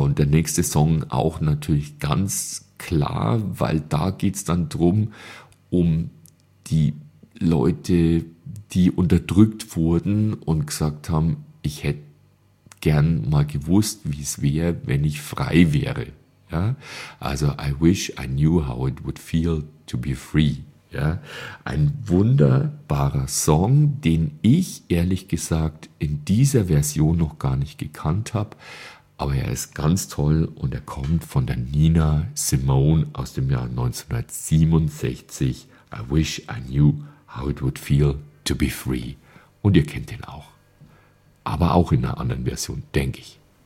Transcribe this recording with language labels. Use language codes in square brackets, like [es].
[de] Und der nächste Song auch natürlich ganz klar, weil da geht es dann drum, um die Leute, die unterdrückt wurden und gesagt haben, ich hätte gern mal gewusst, wie es wäre, wenn ich frei wäre. Ja? [en] Also, I wish I knew how it would feel to be free. [de] Ja? Ein wunderbarer Song, den ich ehrlich gesagt in dieser Version noch gar nicht gekannt habe, aber er ist ganz toll und er kommt von der Nina Simone aus dem Jahr 1967. [en] I wish I knew how it would feel to be free. [de] Und ihr kennt den auch. Aber auch in einer anderen Version, denke ich.